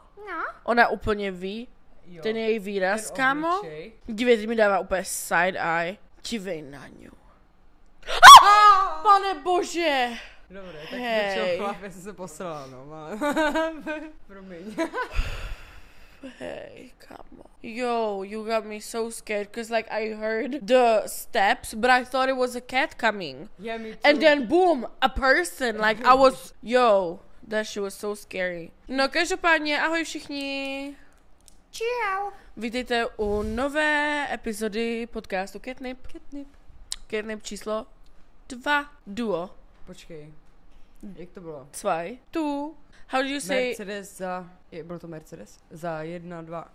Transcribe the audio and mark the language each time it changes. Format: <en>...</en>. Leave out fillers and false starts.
<cs>No. Ona úplně ví. Jo. Ten její výraz, ten kámo. Dívej, ty mi dává úplně side eye. Dívej na ňu. Pane bože! Dobré, tak hej. Nečo, chlap, já jsem se poslala, no. Promiň. Hey, kámo.</cs> <en>Yo, you got me so scared, cause like I heard the steps, but I thought it was a cat coming. Yeah, me too. And then boom, a person, like I was, yo, that shit was so scary.</en> <cs>No, každopádně, ahoj všichni. Čau. Vítejte u nové epizody podcastu Catnip. Catnip. Catnip číslo 2. Duo. Počkej, jak to bylo?</cs> <en>Zwei. Tu. How do you say?</en> <cs>Mercedes za... Bylo to Mercedes? Za 1, 2...</cs>